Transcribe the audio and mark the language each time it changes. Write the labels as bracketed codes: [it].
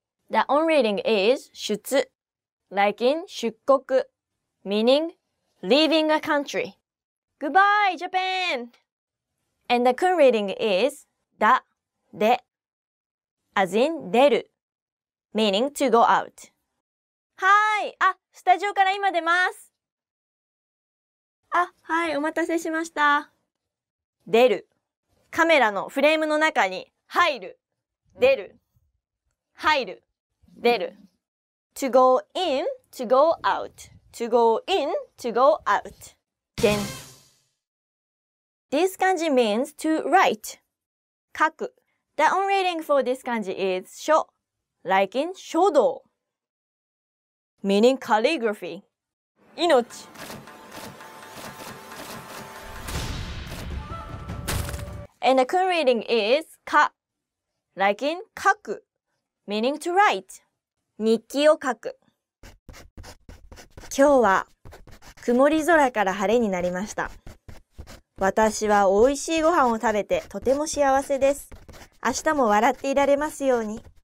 [en] The on reading is 出, like in 出国, meaning leaving a country. Goodbye, Japan! And the kun reading is da, de, as in 出る, meaning to go out. [ja] はい。あ、スタジオから今出ます。あ、はい。お待たせしました。出る。カメラのフレームの中に入る。出る。入る。出る。 [en] To go in, to go out. To go in, to go out. Then. This kanji means to write. 書く。 The on reading for this kanji is 書. Like in 書道。 Meaning calligraphy. 命 And the kun reading is ka, like in kaku, meaning to write. [ja] 日記を書く今日は曇り空から晴れになりました。私は美味しいご飯を食べてとても幸せです。明日も笑っていられますように。